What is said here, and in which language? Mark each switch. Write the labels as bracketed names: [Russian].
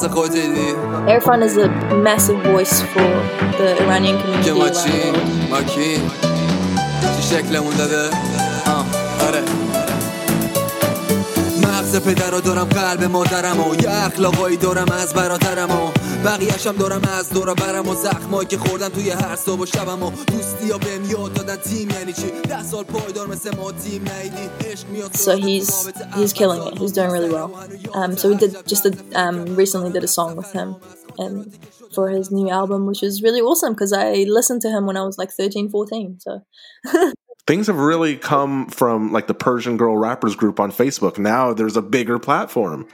[English] Erfan is a massive voice for the Iranian community. [Persian] پدر رو دارم قلب مادرم و یه اخلاقایی دارم از برادرم و بقیهشم دارم از دورا برم و زخمایی که خوردم توی هر صبح و شبم و دوستی ها بهم یاد دادن تیم یعنی چی ده سال پایدار مثل ما تیم نیدی عشق میاد. [English] So he's killing it. He's doing really well. So we recently did a song with him and for his new album, which is really awesome because I listened to him when I was like 13, 14, so things have really come from, like, the Persian Girl Rappers group on Facebook. Now there's a bigger platform.